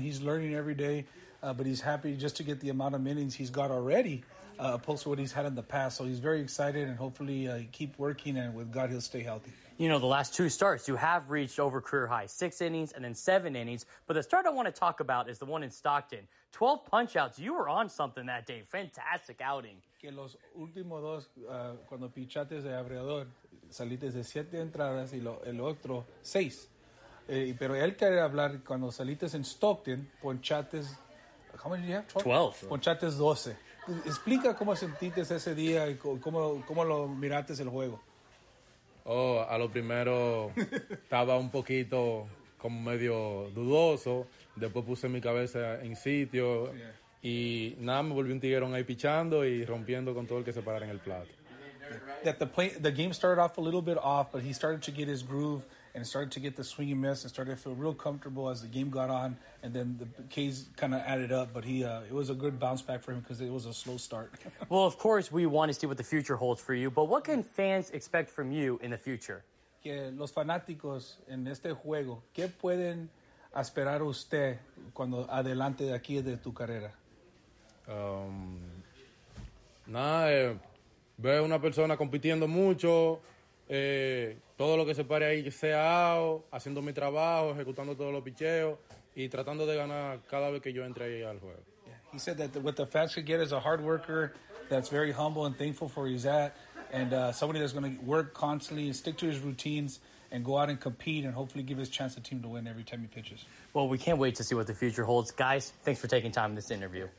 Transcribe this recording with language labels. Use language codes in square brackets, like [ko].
[en] He's learning every day, but he's happy just to get the amount of innings he's got already, opposed to what he's had in the past. So he's very excited, and hopefully keep working, and with God, he'll stay healthy. You know, the last two starts, you have reached over career high, 6 innings and then 7 innings. But the start I want to talk about is the one in Stockton. 12 punchouts. You were on something that day. Fantastic outing. [es] Que los últimos dos, cuando pichaste de abridor, saliste de 7 entradas y el otro 6. Pero él quería hablar cuando saliste en Stockton, ponchates, [en] how many did you have? [es] 12. Ponchates 12. Explica cómo sentiste ese día y cómo lo miraste el juego. Oh, a lo primero estaba un poquito como medio dudoso. Después puse mi cabeza en sitio. Yeah. Y nada, me volví un tiguerón ahí pichando y rompiendo con todo el que se parara en el plato. [en] That the play, the game started off a little bit off, but he started to get his groove and started to get the swing and miss and started to feel real comfortable as the game got on. And then the K's kind of added up, but he it was a good bounce back for him because it was a slow start. Well, of course, we want to see what the future holds for you, but what can fans expect from you in the future? [es] Que los fanáticos en este juego, ¿qué pueden esperar usted cuando adelante de aquí de tu carrera? Ve una persona compitiendo mucho, todo lo que se pare ahí sea out, haciendo mi trabajo, ejecutando todos los picheos y tratando de ganar cada vez que yo entre ahí al juego. [en] He said that what the fans could get is a hard worker that's very humble and thankful for his at, and somebody that's going to work constantly and stick to his routines and go out and compete and hopefully give his chance the team to win every time he pitches. Well, we can't wait to see what the future holds. Guys, thanks for taking time in this interview.